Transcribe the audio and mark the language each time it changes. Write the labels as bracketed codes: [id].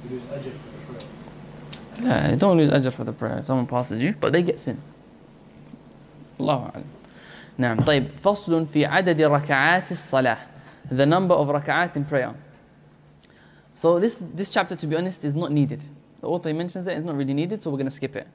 [en] Yeah, they don't lose ajr for the prayer if someone passes you, but they get sin. Allahu a'lam. [ar] نعم طيب فصل في عدد ركعات الصلاة. [en] The number of rak'at in prayer. So this chapter, to be honest, is not needed. The author mentions it, it's not really needed, so we're going to skip it.